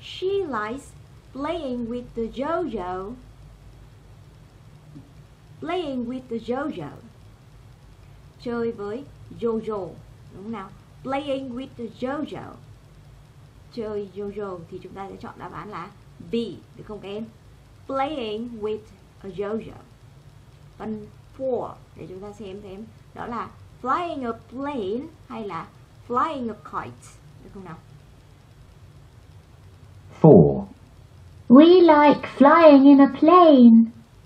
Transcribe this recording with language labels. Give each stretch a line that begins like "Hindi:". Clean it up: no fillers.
English: She likes playing with the yo-yo. Playing with the yo-yo.
Vietnamese: Chơi với yo-yo, đúng không nào?
English: Playing with the yo-yo.
Vietnamese: Chơi yo-yo thì chúng ta sẽ chọn đáp án là B, được không các em?
English: Playing with a yo-yo.
Vietnamese: Phần 4 để chúng ta xem thêm, đó là
English: flying a plane
Vietnamese: hay là
English: flying a kite,
Vietnamese: được không nào? 4.
English: We like flying in a plane.